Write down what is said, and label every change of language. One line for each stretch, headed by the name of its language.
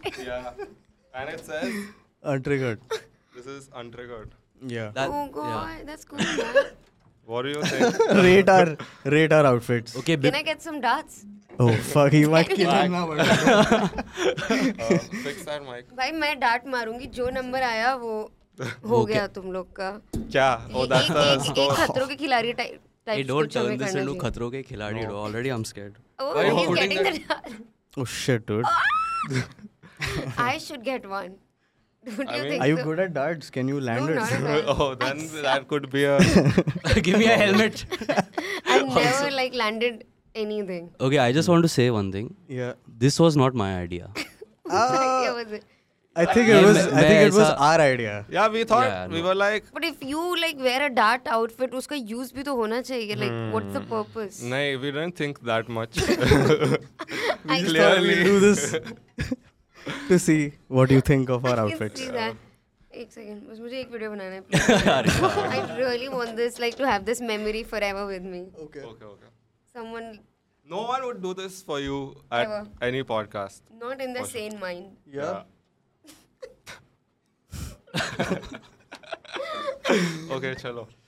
English: Yeah. And it says untriggered. This is untriggered. Yeah. That, oh god, that's cool. What do you think? Rate our outfits. Okay, can I get some darts? Oh fuck, you might kill him. Fix that mic.
Hindi: भाई मैं dart मारूंगी, जो number आया वो हो गया तुम लोग का. क्या?
English: Oh, that's the score.
Hindi: खतरों के खिलाड़ी type.
English: Hey, don't turn this into Khatron Ke Khiladi. Already I'm scared. Oh, he's getting the dart. Oh shit, dude. I should get one. Don't you think? Are you good at darts? Can you land it? Oh, then that could be a. Give me a helmet. I never like landed. Anything. Okay, I just want to say one thing. Yeah. This was not my idea. I think it was. I think it was our idea. Yeah, we thought we were like. But if you like wear a dart outfit,
Hindi: uska use bhi to hona chahiye.
English: Like, what's the purpose? Nah, we didn't think that much. I clearly do this to see what you think of our outfits. See that.
Hindi: एक second, बस मुझे एक video बनाना है.
English: I really want this, like, to have this memory forever with me. Okay. Someone. No one would do this for you at ever. Any podcast. Not in the sane sure. mind. Yeah. Okay, chalo.